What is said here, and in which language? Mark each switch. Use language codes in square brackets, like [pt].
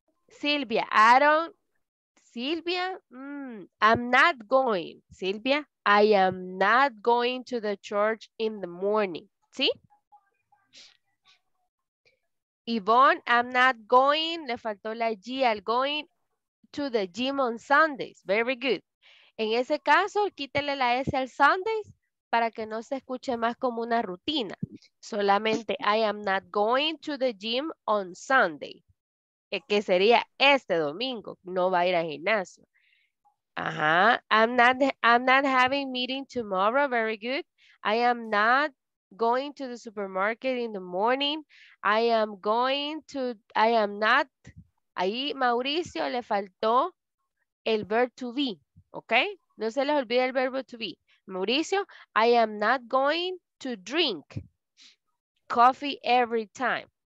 [en] Silvia, I'm not going, Silvia, I am not going to the church in the morning, ¿sí? Yvonne, I'm not going, [es] le faltó la G al [en] going to the gym on Sundays, very good. [es] En ese caso, quítele la S al Sundays, para que no se escuche más como una rutina. Solamente, [en] I am not going to the gym on Sunday. [es] Que sería este domingo. No va a ir al gimnasio. Ajá. [en] I'm not having meeting tomorrow. Very good. I am not going to the supermarket in the morning. I am not. [es] Ahí Mauricio le faltó el verb to be. ¿Ok? No se les olvide el verbo to be. [en] Mauricio, I am not going to drink coffee every time.